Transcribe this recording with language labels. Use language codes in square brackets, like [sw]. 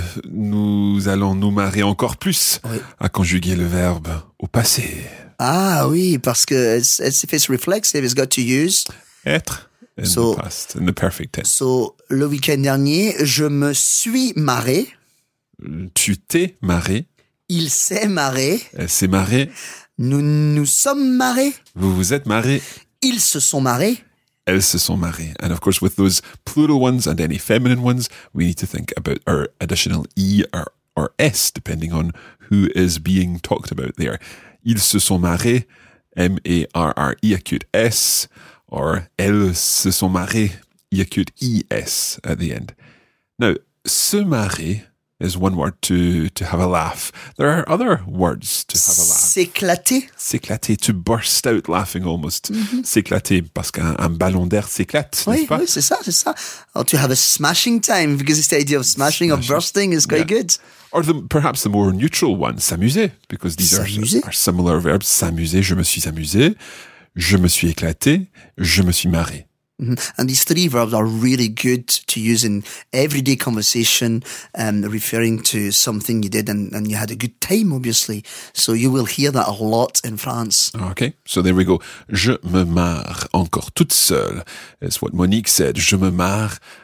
[fr] Nous allons nous marrer encore plus à conjuguer le verbe au passé. Ah oui, parce que [en] if it's reflexive, it's got to use... Être in the past, in the perfect tense. [fr] So, le week-end dernier, je me suis marré. Tu t'es marré. Il s'est marré. Elle s'est marrée. Nous nous sommes marrés. Vous vous êtes marrés. Ils se sont marrés. Elles se sont marrées. [en] And of course, with those plural ones and any feminine ones, we need to think about our additional E or S, depending on who is being talked about there. [fr] Ils se sont marrés, [en] M-A-R-R-E, acute S, or [fr] elles se sont marrées, [en] acute E-S at the end. Now, se marrer is one word to have a laugh. There are other words to have a laugh. [fr] S'éclater. S'éclater, [en] to burst out laughing almost. [fr] Mm-hmm. S'éclater, parce qu'un ballon d'air s'éclate, oui, n'est-ce pas? Oui, c'est ça, c'est ça. [en] Or to have a smashing time, because it's the idea of smashing or bursting is quite good. Or perhaps the more neutral one, s'amuser, because these are similar verbs. [fr] S'amuser, je me suis amusé, je me suis éclaté, je me suis marré. [en] And these three verbs are really good to use in everyday conversation, referring to something you did and you had a good time, obviously. So you will hear that a lot in France. Okay, so there we go. [fr] Je me marre encore toute seule. [en] It's what Monique said. [fr] Je me marre.